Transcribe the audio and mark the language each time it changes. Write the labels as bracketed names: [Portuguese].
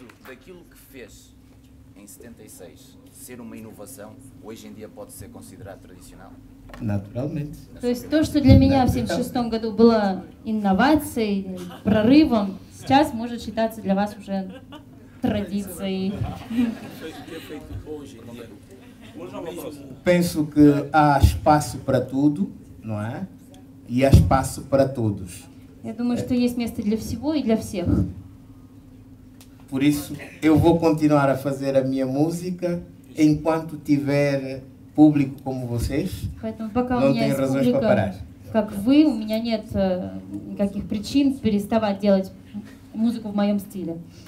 [Portuguese] Aquilo que fez em 76 ser uma inovação, hoje em dia pode ser considerado tradicional? Naturalmente. [Russian] То есть то, что для меня в 76 году было инновацией, прорывом, сейчас может считаться для вас уже традицией. [Portuguese] Penso que há espaço para tudo, não é? E há espaço para todos. [Russian] Я думаю, что есть место для всего и для всех. [Portuguese] Por isso, eu vou continuar a fazer a minha música enquanto tiver público como vocês. Não tenho razões para parar. [Russian] Как вы, у меня нет никаких причин переставать делать музыку в моём стиле.